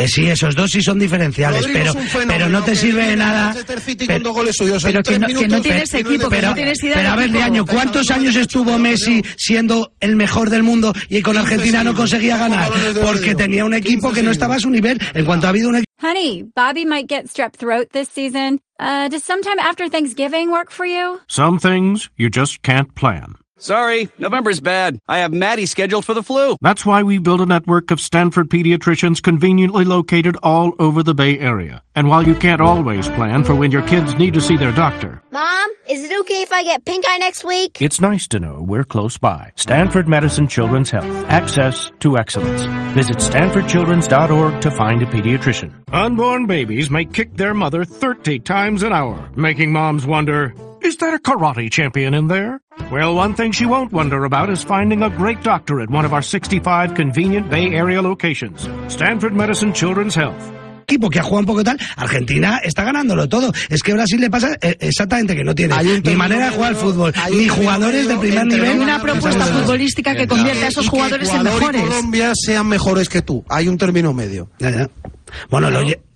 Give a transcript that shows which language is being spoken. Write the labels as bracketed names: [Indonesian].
[Spanish] Que sí, esos dos sí son diferenciales, pero no te sirve de nada. Pero que no tienes equipo, que no tienes idea. Pero a ver, Leaño, ¿cuántos años estuvo Messi siendo el mejor del mundo y con Argentina no conseguía ganar porque tenía un equipo que no estaba a su nivel en cuanto ha habido un equipo? [English] Honey, Bobby might get strep throat this season. Does sometime after Thanksgiving work for you? Some things you just can't plan. Sorry, November's bad. I have Maddie scheduled for the flu. That's why we built a network of Stanford pediatricians conveniently located all over the Bay Area. And while you can't always plan for when your kids need to see their doctor... Mom, is it okay if I get pink eye next week? It's nice to know we're close by. Stanford Medicine Children's Health. Access to excellence. Visit StanfordChildrens.org to find a pediatrician. Unborn babies may kick their mother 30 times an hour, making moms wonder, is that a karate champion in there? Well, one thing she won't wonder about is finding a great doctor at one of our 65 convenient Bay Area locations. Stanford Medicine Children's Health. [Spanish] Equipo que ha jugado un poco y tal, Argentina está ganándolo todo. Es que Brasil le pasa exactamente que no tiene ni manera de jugar al fútbol, ni jugadores de primer nivel. Una propuesta futbolística que convierte a esos jugadores en mejores. Que Colombia sean mejores que tú. Hay un término medio. Ya. Bueno, claro.